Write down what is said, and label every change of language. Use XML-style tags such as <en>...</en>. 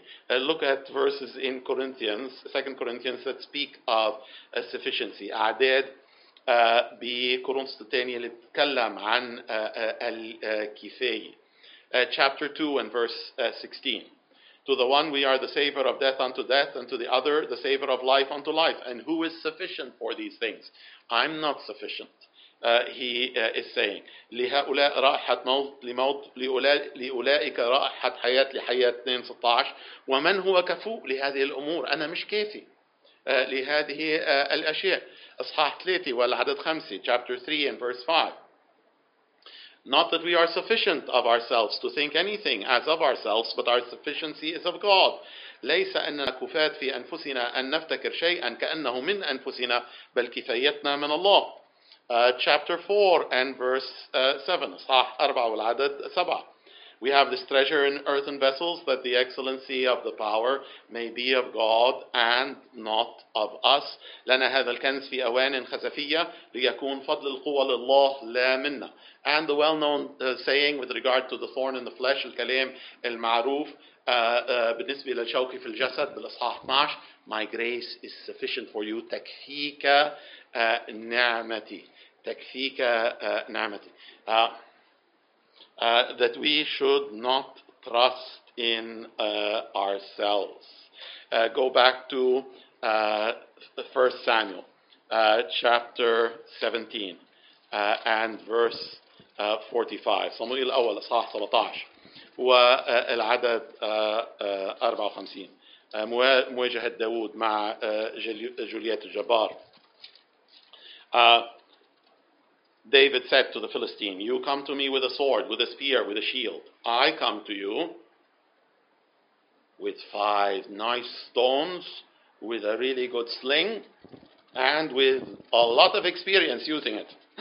<en>Look at verses in Corinthians, 2 Corinthians, that speak of sufficiency.</en> <ar>أعداد بكورنثوس الثانية اللي بتكلم عن الكفاية.</ar> <en>Chapter 2 and verse 16. To the one we are the savior of death unto death, and to the other the savior of life unto life. And who is sufficient for these things? I'm not sufficient, he is saying.</en> <ar>لهؤلاء رائحة موت لموت لأولئك رائحة حياة لحياة 2:16. ومن هو كفو لهذه الأمور؟ أنا مش كافي لهذه الأشياء. أصحاح 3 والعدد 5,</ar> <en>chapter 3 and verse 5. Not that we are sufficient of ourselves to think anything as of ourselves, but our sufficiency is of God.</en> <ar>ليس أننا كفاة في أنفسنا أن نفتكر شيئا كأنه من أنفسنا بل كفايتنا من الله.</ar> <en>Chapter 4 and verse 7.</en> <ar>صح 4 والعدد 7.</ar> <en>We have this treasure in earthen vessels that the excellency of the power may be of God and not of us.</en> <ar>لنا هذا الكنز في أوان خزفية ليكون فضل القوة لله لا منا.</ar> <en>And the well-known saying with regard to the thorn in the flesh,</en> <ar>الكلام المعروف بالنسبة للشوكة في الجسد بالإصحاح 12,</ar> <en>My grace is sufficient for you.</en> <ar>تكفيك نعمتي. تكفيك نعمتي.</ar> <en>That we should not trust in ourselves. Go back to 1 Samuel chapter 17 and verse 45.</en> <ar>Samuel الأول إصحاح 17 والعدد 54. مواجهة داود مع جوليات الجبار.</ar> <en>David said to the Philistine, You come to me with a sword, with a spear, with a shield. I come to you with 5 nice stones, with a really good sling, and with a lot of experience using it.</en>